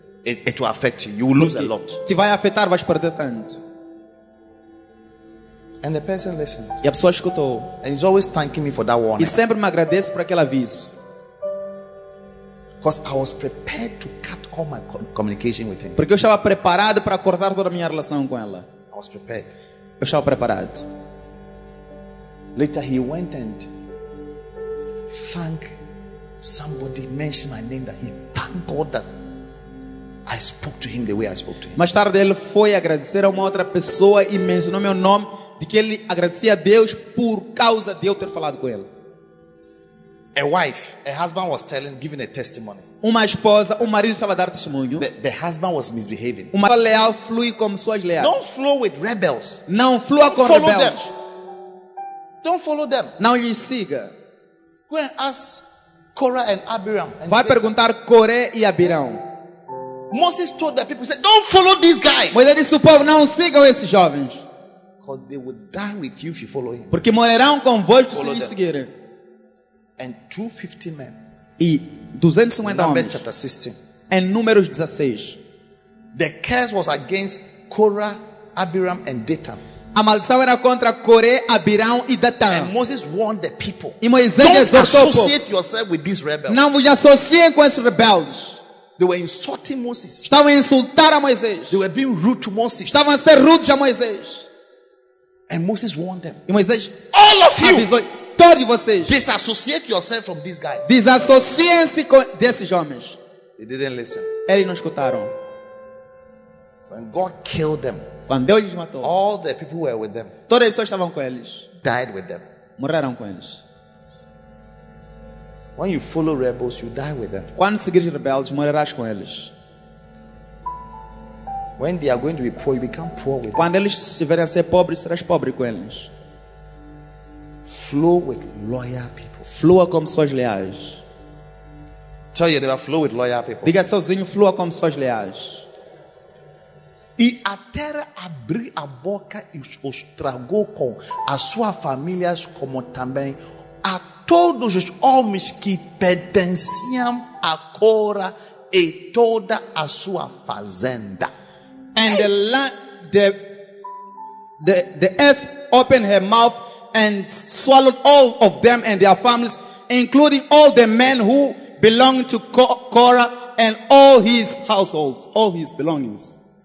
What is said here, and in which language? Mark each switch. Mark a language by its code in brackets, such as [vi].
[en] It will affect you. You will lose a lot. [pt] Te vai afetar, vais perder tanto. [en] And the person listened. [pt] E a pessoa escutou. [en] And he's always thanking me for that warning. [pt] E sempre me agradece por aquele aviso. [en] Because I was prepared to cut all my communication with him. [pt] Porque eu estava preparado para cortar toda a minha relação com ela. [en] I was prepared. [pt] Eu estava preparado. [en] Later he went and thanked somebody, mentioned my name, that he thanked God that I spoke to him the way I spoke to him. [pt] Mais tarde ele foi agradecer a uma outra pessoa e mencionou meu nome, de que ele agradecia a Deus por causa de eu ter falado com ele. [en] A wife, a husband was telling, giving a testimony. [pt] Uma esposa, o marido estava a dar testemunho. [en] The husband was misbehaving. [pt] Uma pessoa leal flui como suas leais. [en] Don't flow with rebels. [pt] Não flua com [en] follow [pt] rebeldes. [en] Them. Don't follow them. [pt] Não lhe siga. [en] Go and ask Korah and Abiram. And [pt] vai perguntar Coré e Abiram. [en] Moses told the people, said, "Don't follow these guys." [pt] Moisés disse ao povo, não sigam esses jovens. [en] Because they would die with you if you follow him. [pt] Porque morrerão convosco se lhes seguirem. [en] And 250 men. [pt] E 250 [en] Numbers [pt] homens. [en] Chapter 16. [pt] Em Números 16. [en] The curse was against Korah, Abiram, and Datan. [pt] A maldição era contra Coré, Abiram e Datan. [en] And Moses warned the people. [pt] E Moisés disse ao povo. [en] Don't associate yourself with these rebels. [pt] Não vos associem com esses rebeldes. [en] They were insulting Moses. [pt] Estavam a insultar a Moisés. [en] They were being rude to Moses. [pt] Estavam a ser rude a Moisés. [en] And Moses warned them. [pt] E Moisés, [en] all of you, [pt] todos vocês, [en] disassociate yourself from these guys. [pt] Desassociem-se desses homens. [en] They didn't listen. [pt] Eles não escutaram. [en] When God killed them, [pt] quando Deus os matou, [en] all the people were with them. [pt] Todas as pessoas estavam com eles. [en] Died with them. [pt] Morreram com eles. [en] When you follow rebels, you die with them. [pt] Quando seguires rebeldes, morrerás com eles. [en] When they are going to be poor, you become poor with them. [pt] Quando eles estiverem a ser pobres, serás pobre com eles. [en] Flow with loyal people. [pt] Flua com pessoas leais. [en] Tell you, they will flow with loyal people. [pt] Diga sozinho, flua com pessoas leais. E a terra abriu a boca e os tragou com as suas famílias, como também a todos os homens que pertenciam a Cora e toda a sua fazenda. [en] And the land, the earth opened her mouth and swallowed all of them and their families, including all the men who belonged to Korah and all his household, all his belongings.